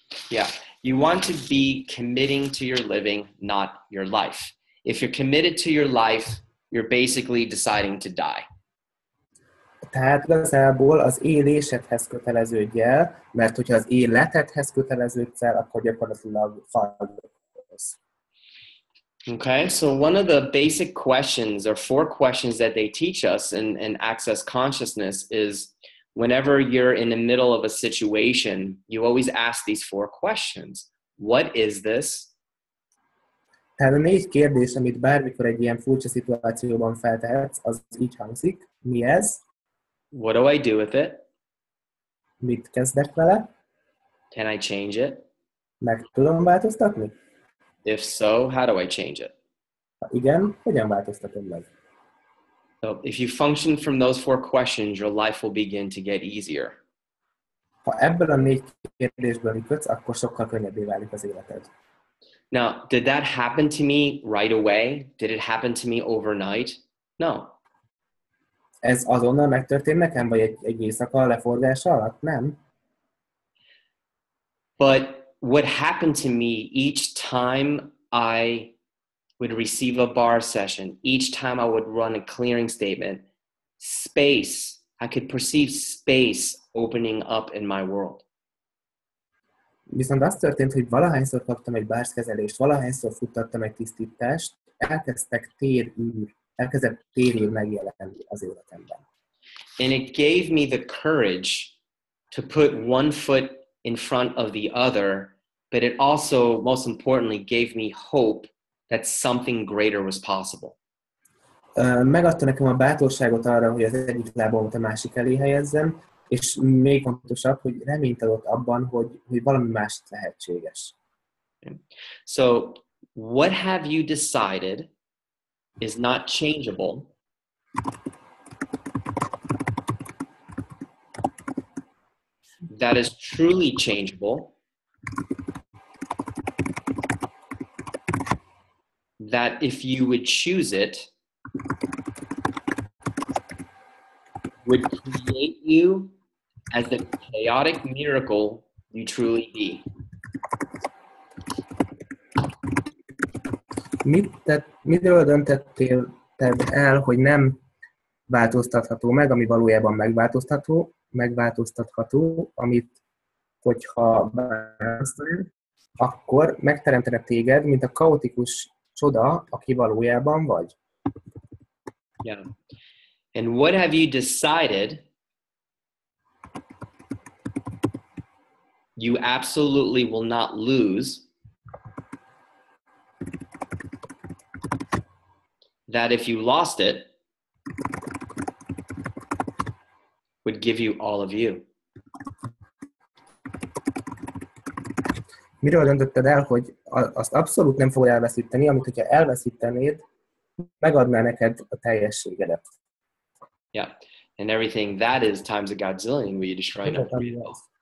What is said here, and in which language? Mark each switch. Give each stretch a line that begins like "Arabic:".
English: Yeah, you want to be committing to your living, not your life. If you're committed to your life, you're basically deciding to die.
Hungarian: Tehát igazából az élésedhez köteleződj el, mert hogyha az életedhez köteleződsz el, akkor gyakorlatilag fogsz.
English: Okay, so one of the basic questions, or four questions that they teach us in Access Consciousness is, whenever you're in the middle of a situation, you always ask these four questions. What is this?
Hungarian: Tehát a négy kérdés, amit bármikor egy ilyen furcsa szituációban feltehetsz, az így hangzik. Mi ez?
English: What do I do with it?
Hungarian: Mit kezdek vele?
English: Can I change it?
Hungarian: Meg tudom változtatni?
English: If so, how do I change it?
Hungarian: Ha igen, hogyan változtatom meg?
English: So if you function from those four questions, your life will begin to get easier.
Hungarian: Ha ebből a négy kérdésből működsz, akkor sokkal könnyebbé válik az életed.
English: Now, did that happen to me right away? Did it happen to me overnight? No.
Hungarian: Ez azonnal megtörtént nekem, vagy egy éjszaka leforgása alatt? Nem.
English: But what happened to me each time I would receive a bar session, each time I would run a clearing statement, space, I could perceive space opening up in my world.
Hungarian: Viszont az történt, hogy valahányszor kaptam egy bars kezelést, valahányszor futtattam egy tisztítást, elkezdett térül megjelenni az életemben.
English: And it gave me the courage to put one foot in front of the other, but it also, most importantly, gave me hope that something greater was possible.
Hungarian: Megadta nekem a bátorságot arra, hogy az egyik lábamot a másik elé helyezzem, és még fontosabb, hogy reményt adott abban, hogy valami más lehetséges.
English: So, what have you decided is not changeable? That is truly changeable. That if you would choose it, would create you as the chaotic miracle you truly be.
Hungarian: Miről döntettél te el, hogy nem változtatható meg, ami valójában megváltoztatható, amit, hogyha változtál, akkor megteremtene téged, mint a kaotikus csoda, aki valójában vagy.
English: Yeah. And what have you decided you absolutely will not lose, that if you lost it, would give you all of you.
Hungarian: Miről döntötted el, hogy azt abszolút nem fogod elveszíteni, amit hogyha elveszítenéd, megadná neked a teljességedet.
English: Yeah, and everything that is times a godzillion we just right now.